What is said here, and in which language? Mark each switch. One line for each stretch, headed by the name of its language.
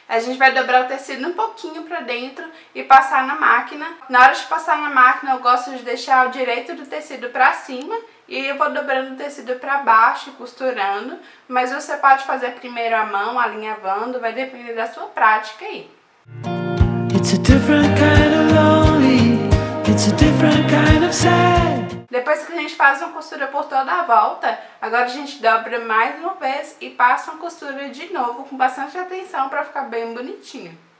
Portuguese: A gente vai dobrar o tecido um pouquinho pra dentro e passar na máquina. Na hora de passar na máquina, eu gosto de deixar o direito do tecido pra cima e eu vou dobrando o tecido pra baixo e costurando. Mas você pode fazer primeiro a mão, alinhavando, vai depender da sua prática aí.
English: It's a different kind of lonely, it's a different kind of sad.
Portuguese: Depois que a gente faz uma costura por toda a volta, agora a gente dobra mais uma vez e passa uma costura de novo com bastante atenção para ficar bem bonitinho.